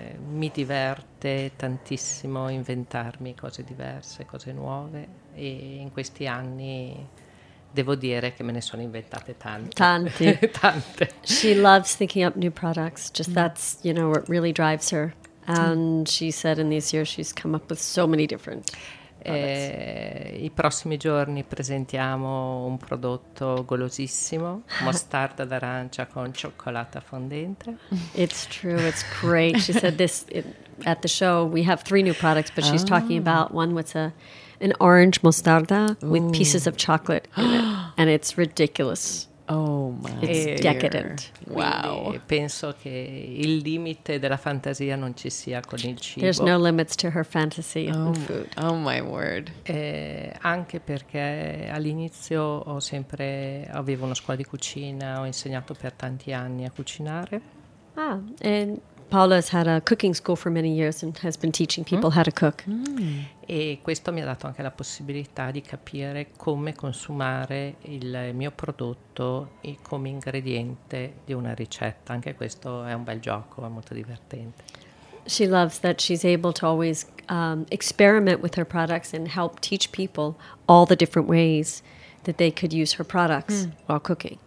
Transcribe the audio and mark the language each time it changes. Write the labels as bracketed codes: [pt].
[it] Mi diverte tantissimo inventarmi cose diverse, cose nuove, e in questi anni devo dire che me ne sono inventate tante. Tanti. Tante. [en] She loves thinking up new products. Just that's, you know, what really drives her. And she said in these years she's come up with so many different products. [it] I prossimi giorni presentiamo un prodotto golosissimo, mostarda d'arancia con cioccolata fondente. [en] It's true, it's great. She said this at the show. We have three new products, but she's talking about one with an orange mostarda with pieces of chocolate in it. And it's ridiculous. Oh my, it's decadent. Wow. [it] Penso che il limite della fantasia non ci sia con il cibo. [en] There's no limits to her fantasy and food. Oh my word. [it] Anche perché all'inizio avevo una scuola di cucina, ho insegnato per tanti anni a cucinare. [en] Ah, and Paola has had a cooking school for many years and has been teaching people how to cook. Mm. [it] E questo mi ha dato anche la possibilità di capire come consumare il mio prodotto e come ingrediente di una ricetta. Anche questo è un bel gioco, è molto divertente. [en] She loves that she's able to always experiment with her products and help teach people all the different ways that they could use her products while cooking.